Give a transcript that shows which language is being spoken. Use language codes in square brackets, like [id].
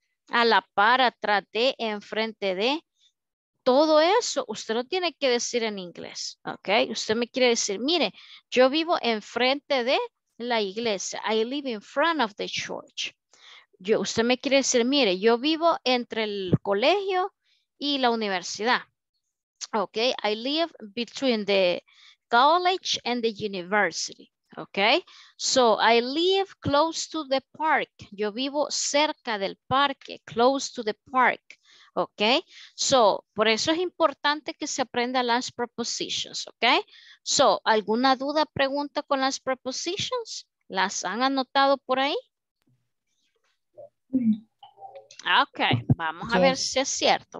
[es] A la par, atrás de, enfrente de, todo eso. Usted lo tiene que decir en inglés, ¿ok? Usted me quiere decir, mire, yo vivo enfrente de la iglesia. [en] I live in front of the church. [es] Usted me quiere decir, mire, yo vivo entre el colegio y la universidad. [en] Ok, I live between the college and the university. Ok, so I live close to the park. [es] Yo vivo cerca del parque, [en] close to the park. [es] Ok, so por eso es importante que se aprenda las prepositions. Ok, so ¿alguna duda, pregunta con las prepositions? ¿Las han anotado por ahí? Ok, vamos a ver si es cierto.